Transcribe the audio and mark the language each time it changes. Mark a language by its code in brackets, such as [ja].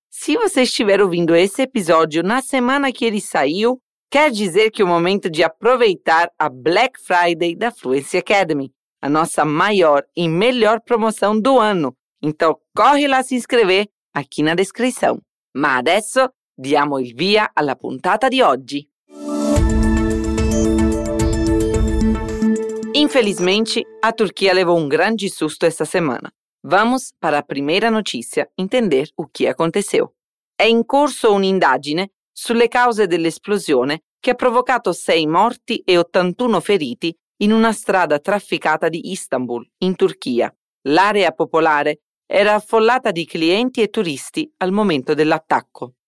[pt] Se você estiver ouvindo esse episódio na semana que ele saiu, quer dizer que é o momento de aproveitar a Black Friday da Fluency Academy, a nossa maior e melhor promoção do ano. Então, corre lá se inscrever aqui na descrição. [it] Ma adesso, diamo il via alla puntata di oggi. [pt] Infelizmente, a Turquia levou um grande susto esta semana. Vamos para a primeira notícia, entender o que aconteceu. [it] È in corso un'indagine sulle cause dell'esplosione che ha provocato 6 morti e 81 feriti in una strada trafficata di Istanbul, in Turchia. L'area popolare era affollata di clienti e turisti al momento dell'attacco.